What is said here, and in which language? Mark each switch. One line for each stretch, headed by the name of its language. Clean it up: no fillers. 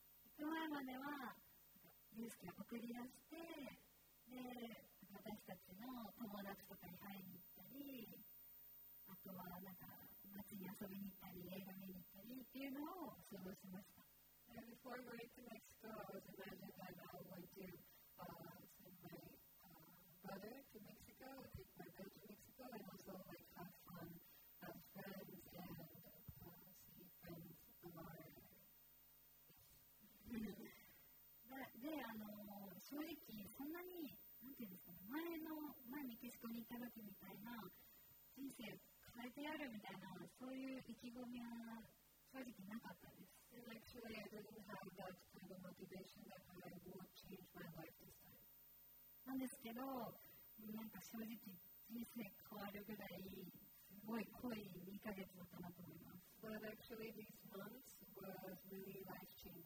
Japanese: 行く前までは、ユースケを送り出して、で、私たちの友達とかに会いに行ったり、あとは、なんか、街に遊びに行ったり、映画見に行ったりっていうのを過ごしました。
English: And before going to Mexico, I was imagining that I would do somebody. Brother to Mexico, take my brother to Mexico, and also like have fun of friends and see friends of our area.
Japanese: で、正直そんなに、なんていうんですかね、前メキシコに行った時みたいな人生変えてやるみたいな、そういう意気込みは正直なかったです。
English: And actually, I didn't have that kind of motivation that I would change my life this time.
Japanese: なんですけど、なんか正直人生変わるぐらいすごい濃い2ヶ月だったなと思います。
English: But actually these months were really life changing